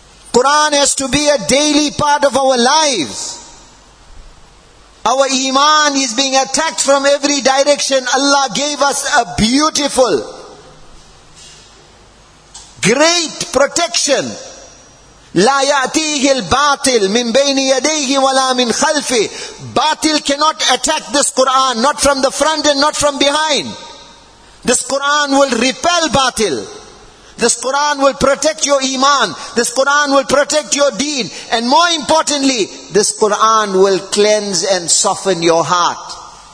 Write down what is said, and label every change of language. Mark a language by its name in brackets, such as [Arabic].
[English] Quran has to be a daily part of our lives. Our iman is being attacked from every direction. Allah gave us a beautiful, great protection. [Arabic] لا يأتيه الباطل من بين يديه ولا من خلفه. [English] Batil cannot attack this Quran, not from the front and not from behind. This Quran will repel batil. This Quran will protect your iman. This Quran will protect your deen. And more importantly, this Quran will cleanse and soften your heart.